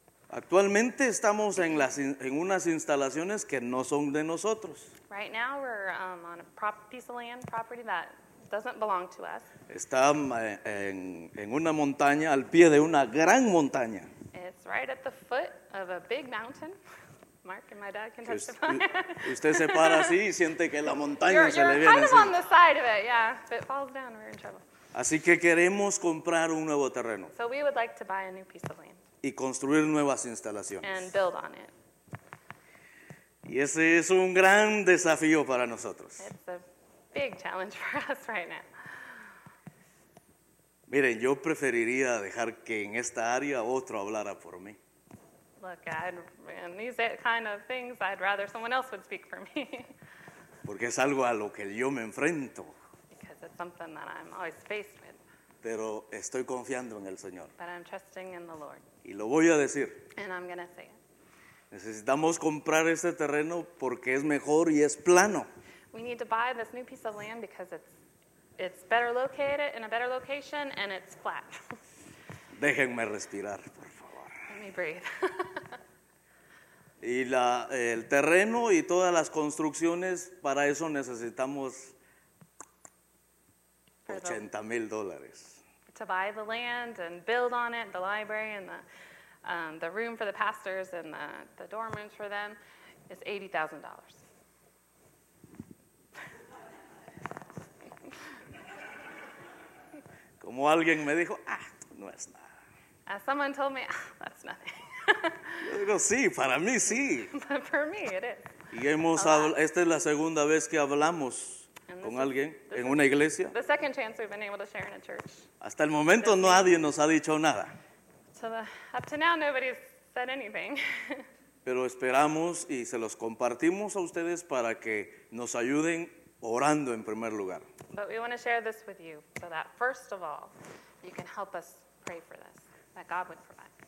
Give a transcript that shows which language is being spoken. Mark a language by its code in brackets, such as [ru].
[es] Actualmente estamos en unas instalaciones que no son de nosotros. [en] Right now we're on a piece of land property that doesn't belong to us. [es] Está en una montaña, al pie de una gran montaña. [en] It's right at the foot of a big mountain. Mark and my dad can testify. [es] Usted se para así y siente que la montaña se le viene. [en] You're kind of on the side of it, yeah. If it falls down, we're in trouble. [es] Así que queremos comprar un nuevo terreno. [en] So we would like to buy a new piece of land. [es] Y construir nuevas instalaciones. [en] And build on it. [es] Y ese es un gran desafío para nosotros. [en] It's a big challenge for us right now. [es] Miren, yo preferiría dejar que en esta área otro hablara por mí. [en] Look, in these kind of things, I'd rather someone else would speak for me. [es] Porque es algo a lo que yo me enfrento. [en] Because it's something that I'm always faced with. [es] Pero estoy confiando en el Señor. [en] But I'm trusting in the Lord. [es] Y lo voy a decir. [en] And I'm going to say it. [es] Necesitamos comprar este terreno porque es mejor y es plano. [en] We need to buy this new piece of land because it's better located in a better location and it's flat. [es] Déjenme respirar, por favor. [en] Let me breathe. [es] Y el terreno y todas las construcciones, para eso necesitamos $80,000. [en] To buy the land and build on it, the library and the room for the pastors and the dorm rooms for them, is $80,000. [es] Como alguien me dijo, no es nada. [en] As someone told me, that's nothing. [es] Yo digo, sí, para mí sí. [en] But for me, it is. [es] Y esta es la segunda vez que hablamos con alguien en una iglesia. [en] The second chance we've been able to share in a church. [es] Hasta el momento no nadie nos ha dicho nada. [en] Up to now, nobody's said anything. [es] Pero esperamos y se los compartimos a ustedes para que nos ayuden orando en primer lugar. [en] But we want to share this with you so that first of all, you can help us pray for this, that God would provide.